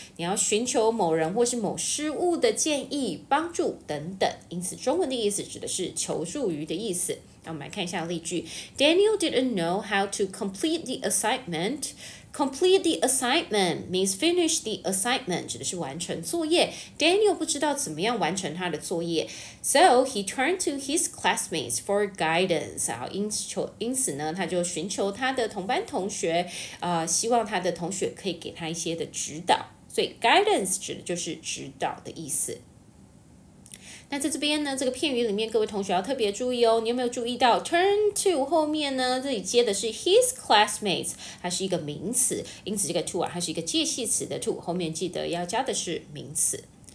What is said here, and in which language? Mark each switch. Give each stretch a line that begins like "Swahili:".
Chinese: 你要寻求某人或是某事物的建议、帮助等等。因此，中文的意思指的是求助于的意思。那我们来看一下例句
English: ：Daniel didn't know how to complete the assignment. Complete the assignment means finish the assignment，
Chinese: 指的是完成作业。 Daniel 不知道怎么样完成他的作业 ，
English: so he turned to his classmates for guidance。
Chinese: 好，因此呢，他就寻求他的同班同学，希望他的同学可以给他一些的指导。所以 guidance 指的就是指导的意思。那在这边呢，这个片语里面各位同学要特别注意哦，你有没有注意到 turn to 后面呢，这里接的是 his classmates， 它是一个名词，因此这个 to 啊，它是一个介系词的 to， 后面记得要加的是名词。